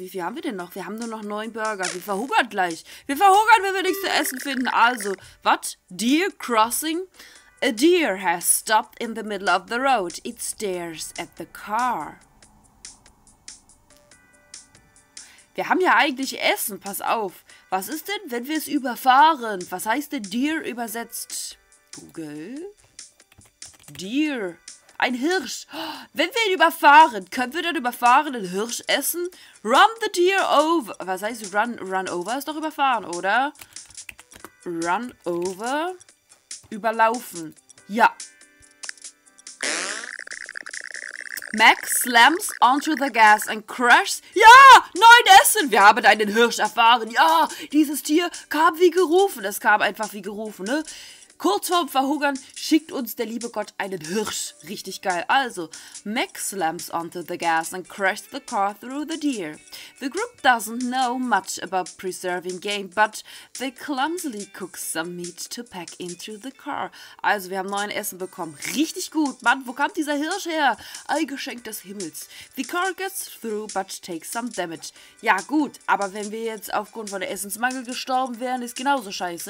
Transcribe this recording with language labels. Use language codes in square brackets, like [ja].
[de] Wie viel haben wir denn noch? Wir haben nur noch 9 Burger. Wir verhungern gleich. Wir verhungern, wenn wir nichts zu essen finden. [en] Also, what? Deer crossing? A deer has stopped in the middle of the road. It stares at the car. [de] Wir haben ja eigentlich Essen. Pass auf. Was ist denn, wenn wir es überfahren? Was heißt denn Deer übersetzt? Google. Deer. Ein Hirsch. Wenn wir ihn überfahren, können wir dann überfahren den Hirsch essen? [en] Run the deer over. [de] Was heißt run? Run over ist doch überfahren, oder? [en] Run over. [de] Überlaufen. Ja. [en] Max slams onto the gas and crashes. [de] Ja! 9 Essen! Wir haben einen Hirsch erfahren. Ja! Dieses Tier kam wie gerufen. Es kam einfach wie gerufen, ne? Kurz vorm Verhungern schickt uns der liebe Gott einen Hirsch. Richtig geil. [en] Also, Max slams onto the gas and crashes the car through the deer. The group doesn't know much about preserving game, but they clumsily cook some meat to pack into the car. [de] Also, wir haben 9 Essen bekommen. Richtig gut. Mann, wo kam dieser Hirsch her? Ein Geschenk des Himmels. [en] The car gets through, but takes some damage. [de] Ja, gut. Aber wenn wir jetzt aufgrund von Essensmangel gestorben wären, ist genauso scheiße.